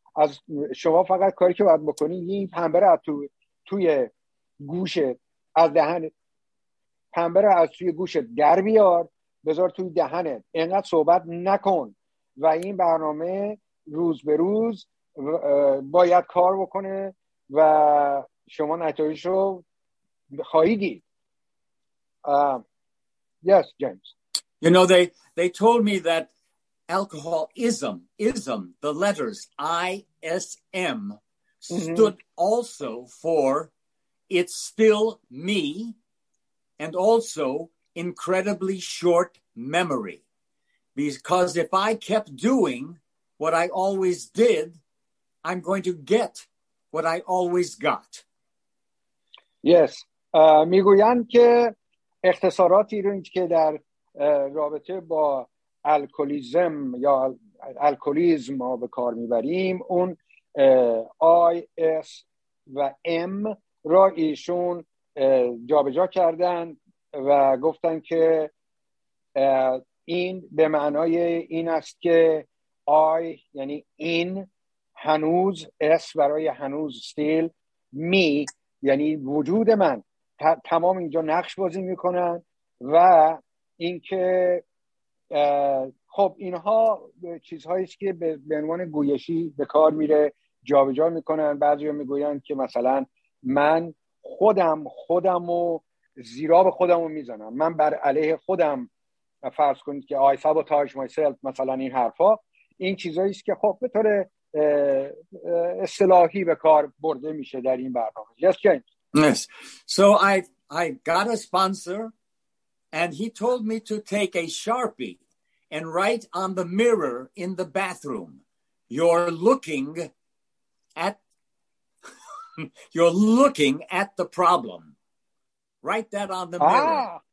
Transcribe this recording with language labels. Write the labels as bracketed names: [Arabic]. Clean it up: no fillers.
[Persian] از شما فقط کاری که باید بکنید این پنبه رو توی گوشت، از دهن پنبه رو از توی گوشت در بیار، بذار توی دهنت، اینقدر صحبت نکن و این برنامه روز به روز باید کار بکنه و شما نتایج رو خواهید دید. [English] Yes, James. You know, they told me that alcoholism, the letters ISM, stood also for it's still me and also incredibly short memory. Because if I kept doing what I always did, I'm going to get what I always got. Yes. [Persian] میگویند که اختصاراتی رو که در رابطه با الکولیزم یا الکولیزم ما به کار میبریم، اون آی اس و ام را ایشون جابجا کردن و گفتن که این به معنای این است که آی یعنی این، هنوز، اس برای هنوز، استیل، می یعنی وجود من، تمام اینجا نقش بازی میکنن. و اینکه خب اینها چیزهایی است که به عنوان گویشی به کار میره، جابجا میکنن. بعضیا میگوین که مثلا من خودم رو زیراب خودم رو میزنم، من بر علیه خودم، فرض کنید که [English] I sabotage myself، [Persian] مثلا این حرفا. این چیزهایی است که خب به طور اصطلاحی به کار برده میشه در این برنامه. [English] Yes, James. Yes. So I got a sponsor and he told me to take a Sharpie and write on the mirror in the bathroom, you're looking at You're looking at the problem. Write that on the mirror.